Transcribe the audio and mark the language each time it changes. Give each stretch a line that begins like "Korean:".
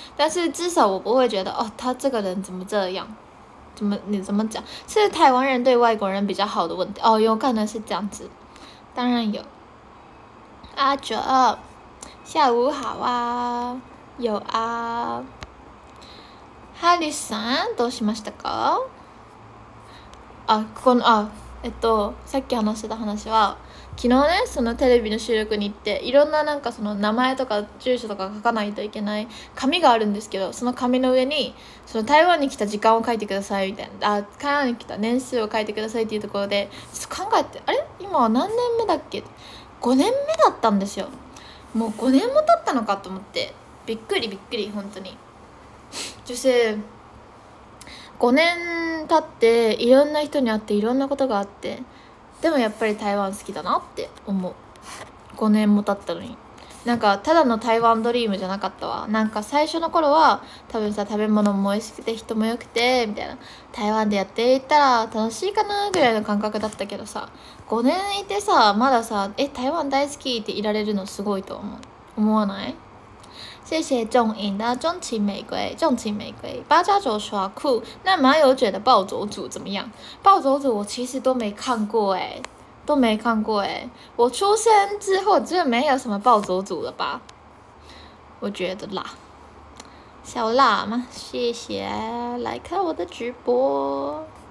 Chinese: 但是至少我不会觉得哦，他这个人怎么这样？怎么讲？是台湾人对外国人比较好的问题哦，有可能是这样子。当然有，阿哲，下午好啊，有啊。
Japanese: ハリさん、どうしましたか？あ、この、あ、さっき話した話は、昨日ね、そのテレビの収録に行って、いろんななんかその名前とか住所とか書かないといけない紙があるんですけど、その紙の上に、その台湾に来た時間を書いてくださいみたいな、あ、台湾に来た年数を書いてくださいっていうところで、ちょっと考えて、あれ？今は何年目だっけ？5 年目だったんですよ。もう5年も経ったのかと思って、びっくりびっくり、本当に。
Chinese: 就是
Japanese: 5年経っていろんな人に会っていろんなことがあって、でもやっぱり台湾好きだなって思う。 5年も経ったのに、なんかただの台湾ドリームじゃなかったわ。なんか最初の頃は多分さ、食べ物も美味しくて人も良くてみたいな、台湾でやっていったら楽しいかなぐらいの感覚だったけどさ、5年いてさ、まださ、え、台湾大好きっていられるのすごいと思う。思わない？
Chinese: 谢谢仲颖的钟情玫瑰，钟情玫瑰8+9耍酷。那麻友觉得暴走组怎么样？暴走组我其实都没看过哎，都没看过哎。我出生之后就没有什么暴走组了吧？我觉得啦，小辣嘛，谢谢来看我的直播。